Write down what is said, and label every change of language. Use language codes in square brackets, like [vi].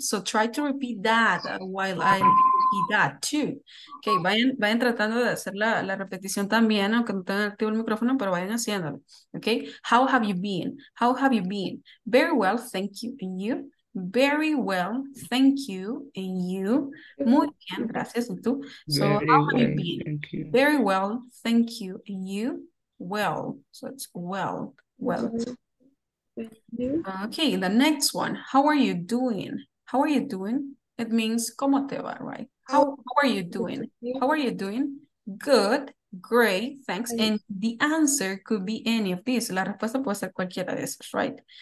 [en] So try to repeat that while I repeat that too. [es] Okay, vayan tratando de hacer la repetición también, aunque no tengan activo el micrófono, pero vayan haciéndolo, okay? [en] How have you been? How have you been? Very well, thank you, and you? Very well, thank you, and you? [es] Muy bien, gracias, y tú? [en] So very how have well, you been? Thank you. Very well, thank you, and you? Well, so it's well. Okay, the next one. How are you doing? How are you doing? It means [es] ¿cómo te va? [en] Right? How are you doing? How are you doing? Good, great, thanks. And the answer could be any of these. [es] La respuesta puede ser cualquiera de esos, right?